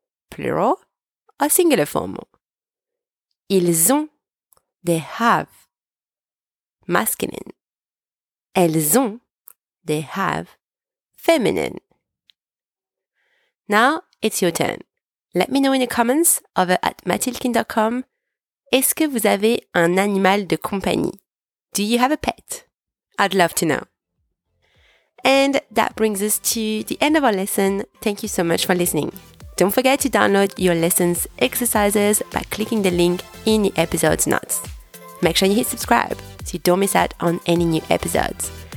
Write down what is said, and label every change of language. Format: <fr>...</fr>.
<en>Plural or singular formal.</en> <fr>Ils ont.</fr> <en>They have. Masculine.</en> <fr>Elles ont.</fr> <en>They have. Feminine. Now it's your turn. Let me know in the comments over at mathilkin.com.</en> <fr>Est-ce que vous avez un animal de compagnie?</fr> <en>Do you have a pet? I'd love to know. And that brings us to the end of our lesson. Thank you so much for listening. Don't forget to download your lesson's exercises by clicking the link in the episode's notes. Make sure you hit subscribe so you don't miss out on any new episodes.</en>